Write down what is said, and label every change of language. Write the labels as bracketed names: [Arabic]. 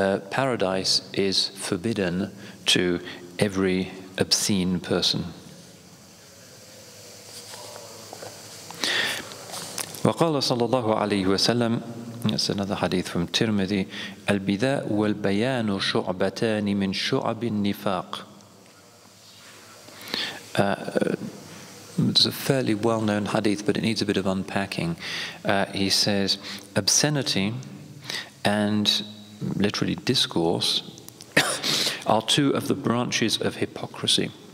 [English] Paradise is forbidden to every obscene person. [Arabic] وَقَالَ صَلَّى اللَّهُ عَلَيْهِ وَسَلَّمُ. [English] That's another hadith from Tirmidhi. [Arabic] البذاء والبيان شعبتان من شعب النفاق. [English] It's a fairly well-known hadith, but it needs a bit of unpacking. He says, obscenity and literally discourse are two of the branches of hypocrisy.